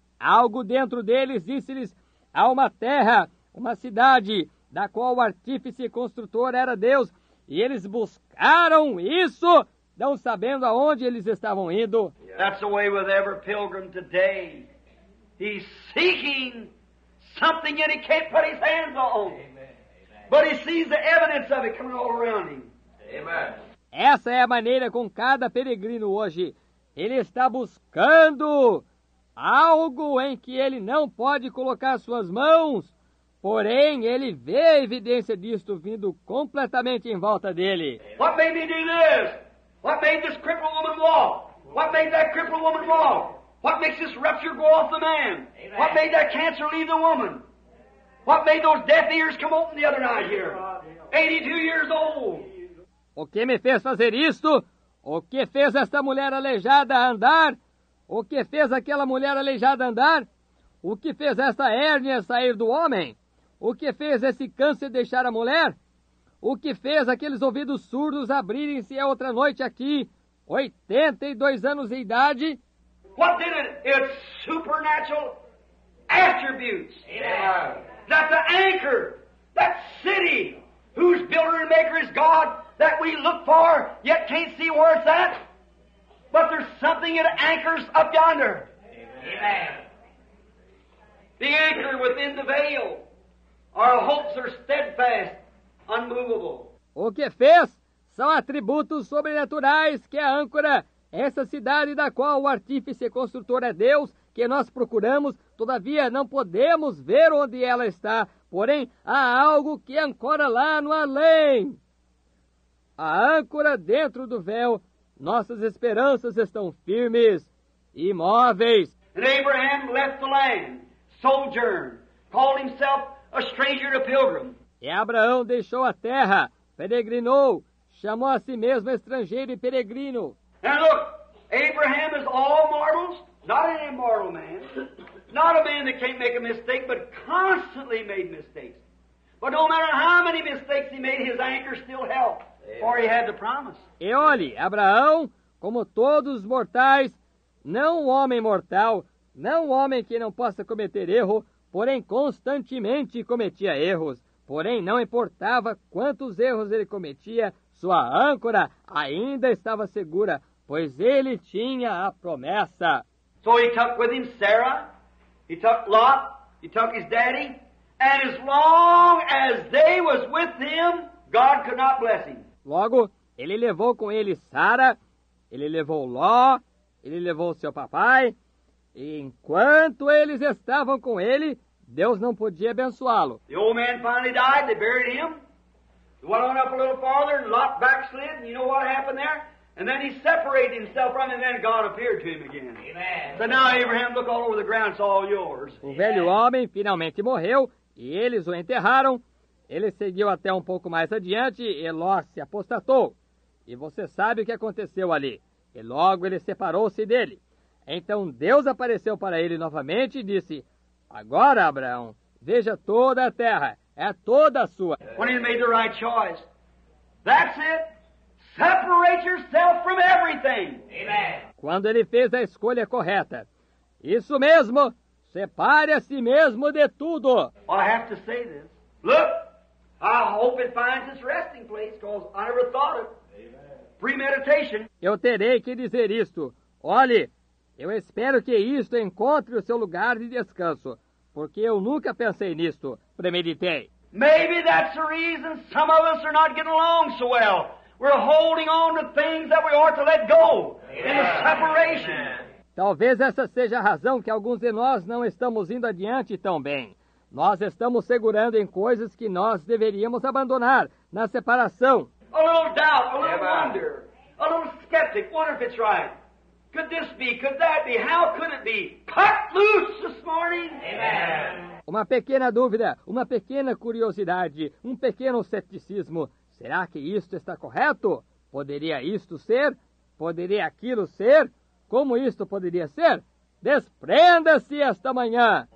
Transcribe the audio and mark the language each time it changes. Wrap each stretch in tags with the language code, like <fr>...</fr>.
<pt>Algo dentro deles disse-lhes, há uma terra, uma cidade, da qual o artífice e construtor era Deus, e eles buscaram isso, não sabendo aonde eles estavam indo.</pt> <en>Yeah. That's the way with every pilgrim today. He's seeking something that he can't put his hands on. Amen. But he sees the evidence of it coming all around him. Amen.</en> <pt>Essa é a maneira com cada peregrino hoje. Ele está buscando algo em que ele não pode colocar suas mãos, porém ele vê a evidência disto vindo completamente em volta dele.</pt> <en>Amen. What made me do this? What made this crippled woman walk? What made that crippled woman walk? What makes this rupture go off the man? Amen. What made that cancer leave the woman? What made those deaf ears come open the other night here? 82 years old.</en> <pt>O que me fez fazer isto? O que fez esta mulher aleijada andar? O que fez aquela mulher aleijada andar? O que fez esta hérnia sair do homem? O que fez esse câncer deixar a mulher? O que fez aqueles ouvidos surdos abrirem-se a outra noite aqui? 82 anos de idade.</pt> <en>What did it? It's supernatural attributes. Amen. That the anchor, that city, whose builder and maker is God, that we look for, yet can't see where it's at. But there's something that anchors up yonder. Amen. The anchor within the veil. Our hopes are steadfast, unmovable.</en> <pt>O que fez são atributos sobrenaturais que a âncora. Essa cidade da qual o artífice e construtor é Deus, que nós procuramos, todavia não podemos ver onde ela está. Porém, há algo que ancora lá no além. A âncora dentro do véu, Nossas esperanças estão firmes, imóveis.</pt> <en>And Abraham left the land, sojourned, called himself a stranger, a pilgrim.</en> <pt>E Abraão deixou a terra, peregrinou, chamou a si mesmo estrangeiro e peregrino.</pt> <en>And look, Abraham is all mortals, not an immortal man, not a man that can't make a mistake, but constantly made mistakes. But no matter how many mistakes he made, his anchor still held. For he had the promise.</en> <pt>E olhe, Abraão, como todos os mortais, não um homem mortal, não um homem que não possa cometer erro, porém constantemente cometia erros. Porém, não importava quantos erros ele cometia, sua âncora ainda estava segura, pois ele tinha a promessa.</pt> <en>So he took with him Sarah, he took Lot, he took his daddy, and as long as they was with him, God could not bless him.</en> <pt>Logo, ele levou com ele Sara, ele levou Ló, ele levou seu papai. E enquanto eles estavam com ele, Deus não podia abençoá-lo.</pt> <en>The old man finally died, they buried him. He went on up a little farther, Lot backslid, and you know what happened there? And then he separated himself from him, and then God appeared to him again. Amen. So now, Abraham, look all over the ground, it's all yours.</en> <pt>O velho homem finalmente morreu, e eles o enterraram. Ele seguiu até um pouco mais adiante e Ló se apostatou. E você sabe o que aconteceu ali. E logo ele separou-se dele. Então Deus apareceu para ele novamente e disse, agora, Abraão, veja toda a terra. É toda a sua.</pt> <en>When he made the right choice. That's it. Separate yourself from everything. Amen.</en> <pt>Quando ele fez a escolha correta. Isso mesmo. Separe a si mesmo de tudo.</pt> <en>I have to say this. Look. I hope it finds its resting place, because I never thought of premeditation.</en> <pt>Eu terei que dizer isto. Olhe, eu espero que isto encontre o seu lugar de descanso, porque eu nunca pensei nisto, premeditei.</pt> <en>Maybe that's the reason some of us are not getting along so well. We're holding on to things that we ought to let go in the separation.</en> <pt>Talvez essa seja a razão que alguns de nós não estamos indo adiante tão bem. Nós estamos segurando em coisas que nós deveríamos abandonar na separação.</pt> <en>A little doubt, a little wonder, a little skeptic, wonder if it's right. Could this be, could that be, how could it be? Cut loose this morning. Amen.</en> <pt>Uma pequena dúvida, uma pequena curiosidade, um pequeno ceticismo. Será que isto está correto? Poderia isto ser? Poderia aquilo ser? Como isto poderia ser? Desprenda-se esta manhã.</pt>